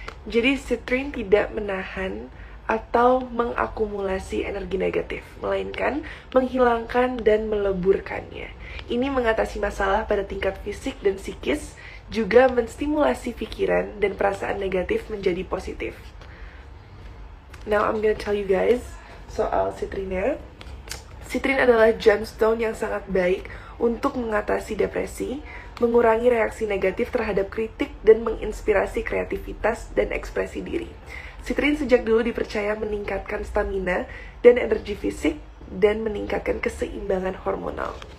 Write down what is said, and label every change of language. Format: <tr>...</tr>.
<id>Jadi citrine tidak menahan atau mengakumulasi energi negatif, melainkan menghilangkan dan meleburkannya. Ini mengatasi masalah pada tingkat fisik dan psikis, juga menstimulasi pikiran dan perasaan negatif menjadi positif.</id> <en>Now I'm gonna tell you guys</en> <id>soal</id> <en>citrine.</en> <id>Citrine adalah gemstone yang sangat baik untuk mengatasi depresi, mengurangi reaksi negatif terhadap kritik, dan menginspirasi kreativitas dan ekspresi diri. Citrine sejak dulu dipercaya meningkatkan stamina dan energi fisik dan meningkatkan keseimbangan hormonal.</id>